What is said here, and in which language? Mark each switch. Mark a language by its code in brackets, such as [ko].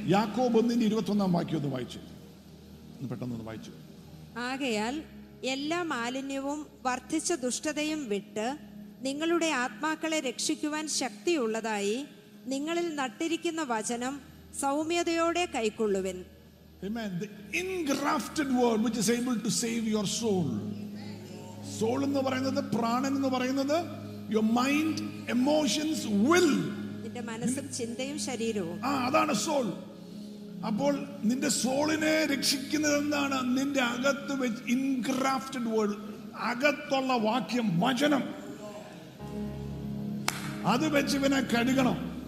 [ml] യാക്കോബ് 1:21 വാക്യം ഒന്ന് വായിച്ചു, ഒന്ന് പെട്ടെന്ന് ഒന്ന് വായിച്ചു. ആകയാൽ എല്ലാ മാലിന്യവും വർദ്ധിച്ച ദുഷ്ടതയും വിട്ട് നിങ്ങളുടെ ആത്മാക്കളെ രക്ഷിക്കുവാൻ ശക്തിയുള്ളതായി നിങ്ങളിൽ നട്ടിരിക്കുന്ന വചനം സൗമ്യതയോടെ കൈക്കൊള്ളുവിൻ. [en] Amen. The engrafted word which is able to save your soul. [ml] Soul എന്ന് പറയുന്നത്, പ്രാണൻ എന്ന് പറയുന്നത്, [en] your mind, emotions, will. [ml] നിന്റെ മനസ്സും ചിന്തയും ശരീരവും. ആ അതാണ് സോൾ. അപ്പോൾ നിന്റെ സോളിനെ രക്ഷിക്കുന്നത് എന്താണ്? നിന്റെ അകത്ത് വെച്ച് [en] engrafted word, [ml] അകത്തുള്ള വാക്യം, വചനം, അത് വെച്ച് ഇവനെ കഴുകണം.